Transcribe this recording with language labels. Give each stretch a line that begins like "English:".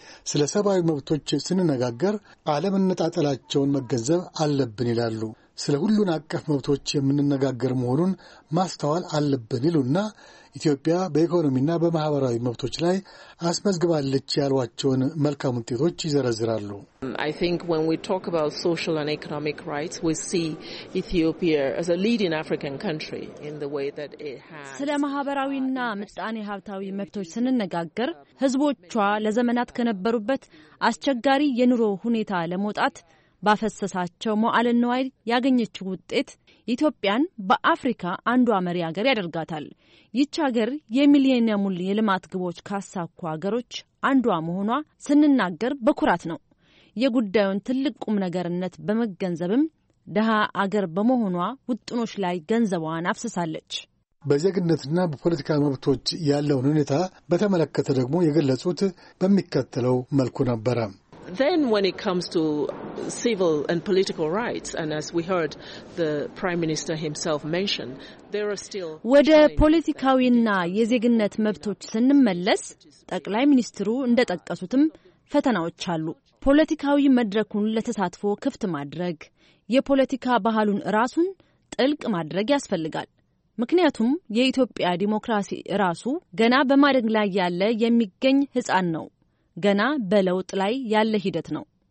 Amharic: ስለ ሰብአዊ መብቶች ስንነጋገር አለመነጣጠላቸውን መገንዘብ አለብን ይላሉ። ስለ ሁሉን አቀፍ መብቶች የምንነጋገር መሆኑን ማስተዋል አለብን ይሉና ኢትዮጵያ በኢኮኖሚና በማህበራዊ መብቶች ላይ አስመዝግባለች ያሏቸውን መልካም ውጤቶች ይዘረዝራሉ።
English: I think when we talk about social and economic rights, we see Ethiopia as a leading African country in the way that it has.
Amharic: ስለ ማህበራዊና ምጣኔ ሀብታዊ መብቶች ስንነጋገር ህዝቦቿ ለዘመናት ከነበሩበት አስቸጋሪ የኑሮ ሁኔታ ለመውጣት ባፈሰሳቸው መዓለ ንዋይ ያገኘችው ውጤት ኢትዮጵያን በአፍሪካ አንዱ አመሪ ሀገር ያደርጋታል። ይህች ሀገር የሚሊኒየሙል የልማት ግቦች ካሳኩ ሀገሮች አንዷ መሆኗ ስንናገር በኩራት ነው። የጉዳዩን ትልቅ ቁም ነገርነት በመገንዘብም ደሃ አገር በመሆኗ ውጥኖች ላይ ገንዘቧን አፍሰሳለች። በዜግነትና በፖለቲካ መብቶች ያለው ሁኔታ በተመለከተ ደግሞ የገለጹት በሚከተለው መልኩ ነበር።
English: Then when it comes to civil and political rights, and as we heard the Prime Minister himself mention, there are still
Amharic: ወደ ፖለቲካዊና የዜግነት መብቶች ስንመለስ ጠቅላይ ሚኒስትሩ እንደጠቀሱትም ፈተናዎች አሉ። ፖለቲካዊ መድረኩን ለተሳትፎ ክፍት ማድረግ፣ የፖለቲካ ባህሉን ራሱን ጥልቅ ማድረግ ያስፈልጋል። ምክንያቱም የኢትዮጵያ ዲሞክራሲ ራሱ ገና በማደግ ላይ ያለ የሚገኝ ህፃን ነው። ገና በለውጥ ላይ ያለ ሂደት ነው።